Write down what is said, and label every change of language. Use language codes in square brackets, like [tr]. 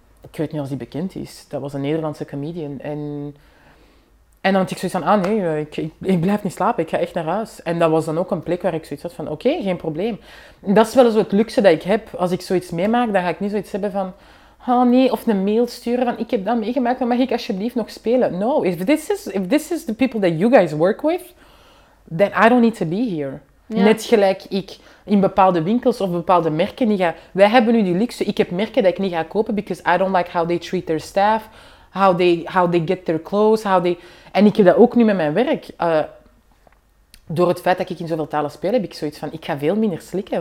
[nl] Ik weet niet of die bekend is. Dat was een Nederlandse comedian. En dan had ik zoiets van, ik blijf niet slapen. Ik ga echt naar huis. En dat was dan ook een plek waar ik zoiets had van, oké, geen probleem. Dat is wel zo het luxe dat ik heb. Als ik zoiets meemaak, dan ga ik niet zoiets hebben van, of een mail sturen van, ik heb dat meegemaakt, dan mag ik alsjeblieft nog spelen. [en] No, if this is the people that you guys work with, then I don't need to be here. [nl] Ja. Net gelijk ik in bepaalde winkels of bepaalde merken niet ga... Wij hebben nu die luxe. Ik heb merken dat ik niet ga kopen [en] because I don't like how they treat their staff, how they get their clothes, [nl] En ik heb dat ook nu met mijn werk. Door het feit dat ik in zoveel talen speel, heb ik zoiets van, ik ga veel minder slikken.